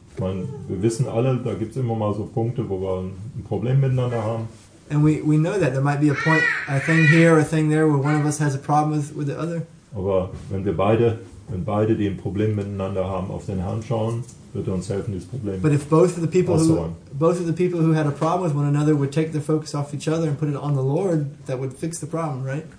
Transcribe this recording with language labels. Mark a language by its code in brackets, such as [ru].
[de] Ich meine, wir wissen alle, da gibt es immer mal so Punkte, wo wir ein Problem miteinander haben. [en] And we know that there might be a point, a thing here, a thing there, where one of us has a problem with the other. [de] Aber wenn wir beide, wenn beide, die ein Problem miteinander haben, auf den Herrn schauen, wird er uns helfen, dieses Problem. [en] But if both of the people who had a problem with one another would take their focus off each other and put it on the Lord, that would fix the problem, right?